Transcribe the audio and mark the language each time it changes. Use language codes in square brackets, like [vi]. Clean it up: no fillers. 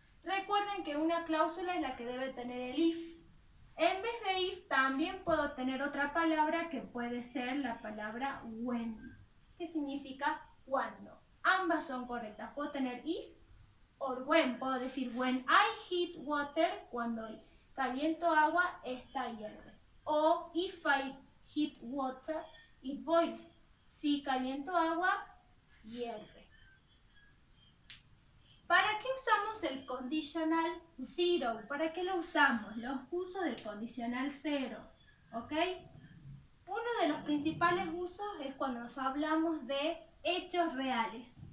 [es] Recuerden que una cláusula es la que debe tener el if. En vez de if, también puedo tener otra palabra que puede ser la palabra when, que significa cuando. Ambas son correctas. Puedo tener if o when. Puedo decir [en] when I heat water, [es] cuando caliento agua, esta hierve. [en] O if I heat water, it boils. [es] Si caliento agua, hierve. ¿Para qué usamos el conditional zero? ¿Para qué lo usamos? Los usos del condicional cero, ¿ok? Uno de los principales usos es cuando nos hablamos de hechos reales.